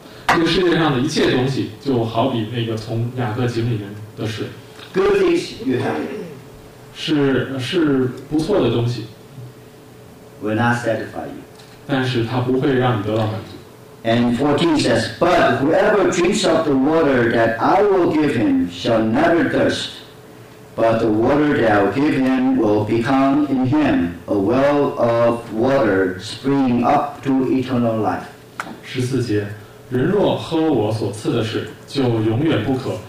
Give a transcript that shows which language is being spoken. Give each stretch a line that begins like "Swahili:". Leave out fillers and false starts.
Chinese: 这个世界上的一切东西，就好比那个从雅各井里面的水。
English: Good things you have.
Chinese: 是不错的东西。
English: Will not satisfy you.
Chinese: 但是他不会让你得到满足。
English: And 14 says, But whoever drinks of the water that I will give him shall never thirst, but the water that I will give him will become in him a well of water springing up to eternal life.
Chinese: 十四节，人若喝我所赐的水，就永远不渴。